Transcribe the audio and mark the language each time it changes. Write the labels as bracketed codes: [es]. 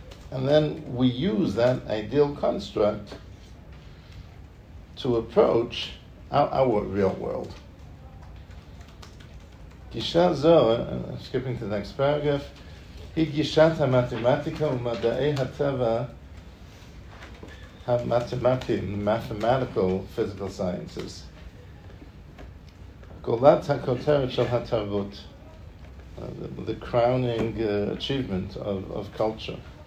[en] And then we use that ideal construct to approach our real world. [he] Gisha zo, [en] skipping to the next paragraph, [he] גישת המתמטיקה ומדעי הטבע המתמטיים, [en] mathematical physical sciences. [he] גולת הכותרת של התרבות, [en] the crowning achievement of culture.